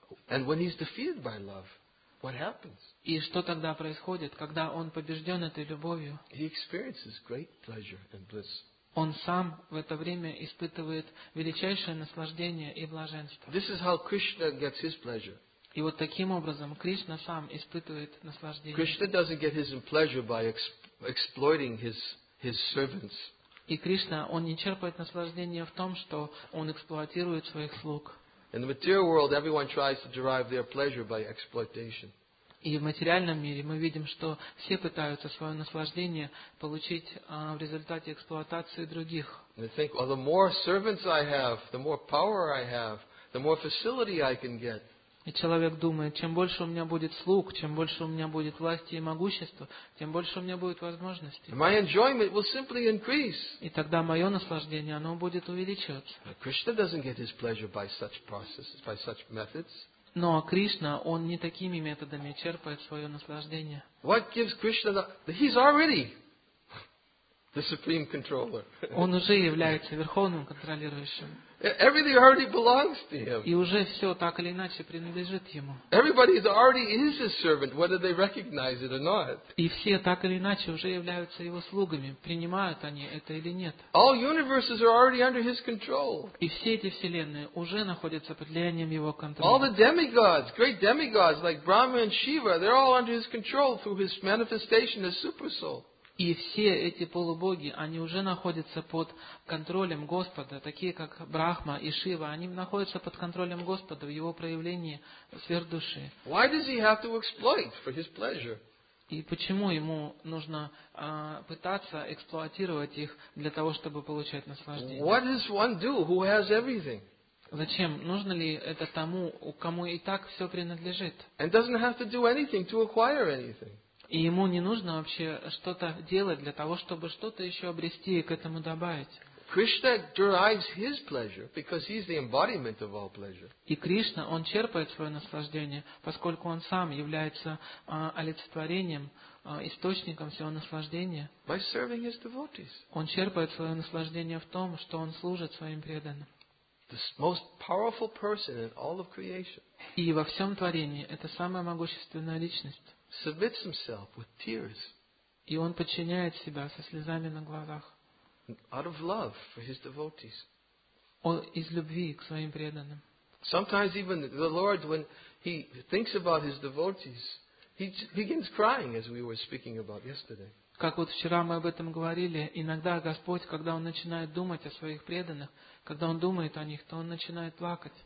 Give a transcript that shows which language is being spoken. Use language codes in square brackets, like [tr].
[en] And when he's defeated by love, what happens? [ru] И что тогда происходит, когда он побежден этой любовью? [en] He experiences great pleasure and bliss. [ru] Он сам в это время испытывает величайшее наслаждение и блаженство. [en] This is how Krishna gets his pleasure. [ru] И вот таким образом Кришна сам испытывает наслаждение. [en] Krishna doesn't get his pleasure by exploiting his servants. [ru] И Кришна, он не черпает наслаждение в том, что он эксплуатирует своих слуг. [en] In the material world, everyone tries to derive their pleasure by exploitation. [ru] И в материальном мире мы видим, что все пытаются свое наслаждение получить в результате эксплуатации других. [en] They think, well, the more servants I have, the more power I have, the more facility I can get. [ru] И человек думает, чем больше у меня будет слуг, чем больше у меня будет власти и могущества, тем больше у меня будет возможностей. [en] My enjoyment will simply increase. [ru] И тогда мое наслаждение, оно будет увеличиваться. [en] But Krishna doesn't get his pleasure by such processes, by such methods. [ru] Но Кришна, он не такими методами черпает свое наслаждение. [en] What gives Krishna the... He's already the supreme controller. [ru] Он уже является верховным контролирующим. [en] Everything already belongs to him. [ru] И уже все так или иначе принадлежит ему. [en] Everybody already is his servant, whether they recognize it or not. [ru] И все так или иначе уже являются его слугами, принимают они это или нет. [en] All universes are already under his control. [ru] И все эти вселенные уже находятся под влиянием его контроля. [en] All the demigods, great demigods like Brahma and Shiva, they're all under his control through his manifestation as Supersoul. [ru] И все эти полубоги, они уже находятся под контролем Господа, такие как Брахма и Шива, они находятся под контролем Господа в его проявлении сверхдуши. [en] Why does he have to exploit for his pleasure? [ru] И почему ему нужно пытаться эксплуатировать их для того, чтобы получать наслаждение? [en] What does one do who has everything? [ru] Зачем? Нужно ли это тому, кому и так все принадлежит? [en] And doesn't have to do anything to acquire anything. [ru] И ему не нужно вообще что-то делать для того, чтобы что-то еще обрести и к этому добавить. [en] Krishna derives his pleasure because he's the embodiment of all pleasure. [ru] И Кришна, он черпает свое наслаждение, поскольку он сам является олицетворением, источником всего наслаждения. [en] By serving his devotees. [ru] Он черпает свое наслаждение в том, что он служит своим преданным. [en] The most powerful person in all of creation. [ru] И во всем творении это самая могущественная личность. [en] Submits himself with tears. [ru] И он подчиняет себя со слезами на глазах. [en] Out of love for his devotees. [ru] Из любви к своим преданным. [en] Sometimes even the Lord, when he thinks about his devotees, he begins crying, as we were speaking about yesterday. [ru] Как вот вчера мы об этом говорили, иногда Господь, когда он начинает думать о своих преданных, когда он думает о них, то он начинает плакать.